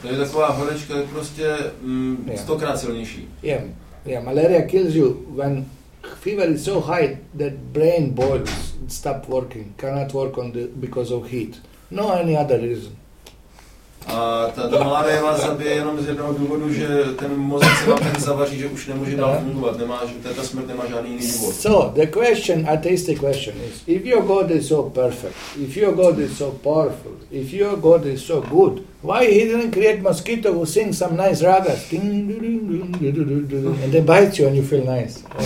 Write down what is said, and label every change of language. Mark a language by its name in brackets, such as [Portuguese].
[Czech] To je taková horečka, je prostě 100krát silnější. [English] Yeah. Malaria kills you when fever is so high that brain boils, stop working, cannot work on the because of heat. No any other reason. [Czech] A ta malaria vás zabije jenom z jednoho důvodu, že ten mozek se vám tak zavaří, že už nemůže dál fungovat, nemá, že ta smrt nemá žádný jiný důvod. [English] So, the question, atheistic question is, if your God is so perfect, if your God is so powerful, if your God is so good, why he didn't create mosquito who sings some nice ragas? And they bite you and you feel nice.